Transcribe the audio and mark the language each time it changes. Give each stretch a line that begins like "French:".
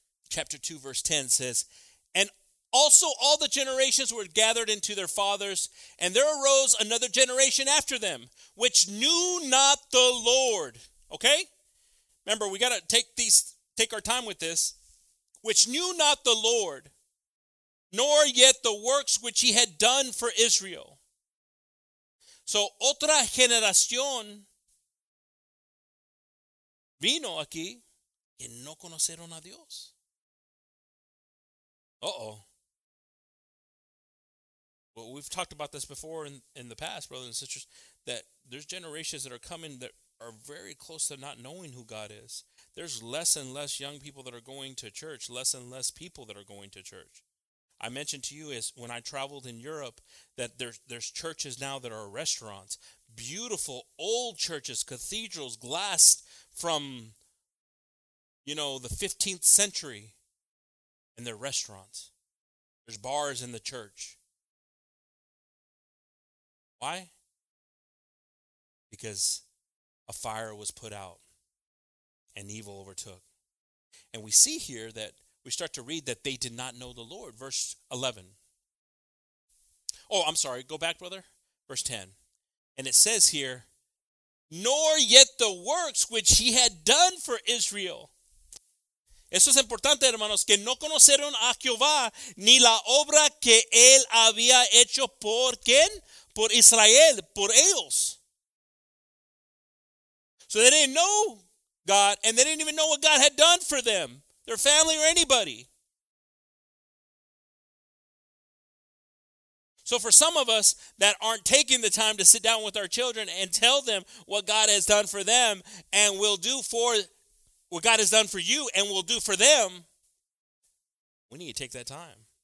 English: Chapter 2, verse 10 says, "And also all the generations were gathered into their fathers, and there arose another generation after them, which knew not the Lord." Okay? Remember, we got to take our time with this. "Which knew not the Lord, nor yet the works which he had done for Israel."
Spanish: So, otra generación vino aquí que no conocieron a Dios.
English: Well, we've talked about this before in the past, brothers and sisters, that there's generations that are coming that are very close to not knowing who God is. There's less and less young people that are going to church, less and less people that are going to church. I mentioned to you is when I traveled in Europe that there's churches now that are restaurants, beautiful old churches, cathedrals, glass from, you know, the 15th century, and they're restaurants. There's bars in the church. Why? Because a fire was put out and evil overtook. And we see here that we start to read that they did not know the Lord. Verse 11. Oh, I'm sorry. Go back, brother. Verse 10. And it says here, nor yet the works which he had done for Israel.
Spanish: Eso es importante, hermanos, que no conocieron a Jehová ni la obra que él había hecho por quién? Por Israel, por ellos.
English: So they didn't know God, and they didn't even know what God had done for them, their family, or anybody. So for some of us that aren't taking the time to sit down with our children and tell them what God has done for them and will do for what God has done for you and will do for them, we need to take that time.